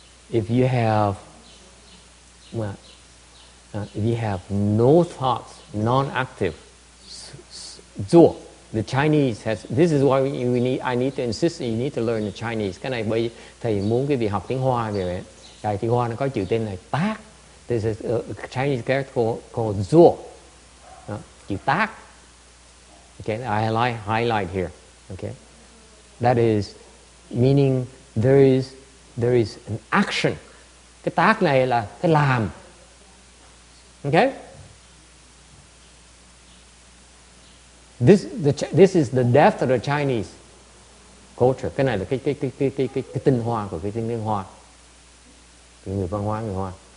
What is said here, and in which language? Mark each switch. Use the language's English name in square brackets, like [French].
[English] If you have, well, if you have no thoughts, non-active, zuo. The Chinese has. This is why we need. I need to insist. You need to learn the Chinese. [Vietnamese] Cái này bây thầy muốn cái việc học tiếng Hoa về vậy. Tại tiếng Hoa nó có chữ tên là tác. [English] This is a Chinese character called zuo. [Vietnamese] Chữ tác. [English] Okay, I highlight here. Okay, that is meaning there is an action. [Vietnamese] Cái tác này là cái làm. Okay? [English] This is the depth of the Chinese culture. [Vietnamese] Cái này là cái tinh hoa của cái tinh hoa. Cái người văn hóa, người Hoa.